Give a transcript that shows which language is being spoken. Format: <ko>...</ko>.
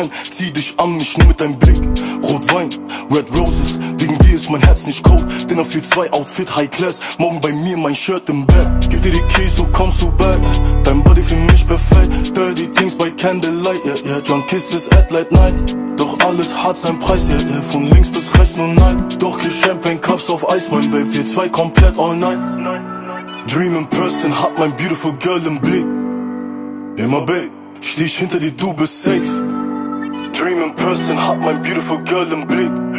<de>Zieh dich an mich nur mit deinem Blick. Rotwein,</de> <en>Red Roses.</en> <de>Wegen dir ist mein Herz nicht cold. Dinner für zwei, Outfit High Class. Morgen bei mir mein Shirt im Bett. Gib dir die Keys, so kommst du back. Dein Body für mich perfekt.</de> <en>Dirty Things by Candlelight, yeah, yeah. Drunk Kisses at late night.</en> <de>Doch alles hat seinen Preis, yeah, yeah. Von links bis rechts nur Nein. Doch gib Champagne Cups auf Eis, mein Babe. Wir zwei komplett</de> <en>all night. Dream in person,</en> <de>hat mein beautiful girl im Blick. Immer Babe, steh ich hinter dir, du bist safe.</de> <en>Dream in person, hot my beautiful girl in blue.</en>